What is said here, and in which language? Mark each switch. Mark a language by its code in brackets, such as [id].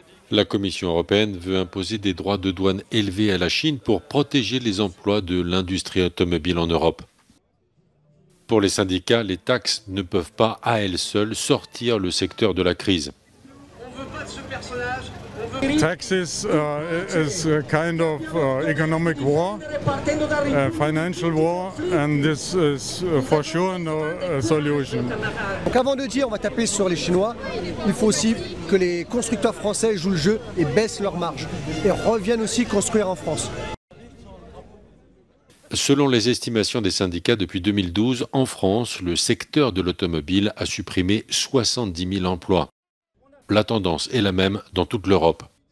[fr] La Commission européenne veut imposer des droits de douane élevés à la Chine pour protéger les emplois de l'industrie automobile en Europe. Pour les syndicats, les taxes ne peuvent pas à elles seules sortir le secteur de la crise. On ne veut pas de ce personnage. [en] Taxes is a kind of economic war, a financial war, and this is for sure no solution. [fr] Donc avant de dire on va taper sur les Chinois, il faut aussi que les constructeurs français jouent le jeu et baissent leurs marges et reviennent aussi construire en France. Selon les estimations des syndicats, depuis 2012, en France, le secteur de l'automobile a supprimé 70 000 emplois. La tendance est la même dans toute l'Europe.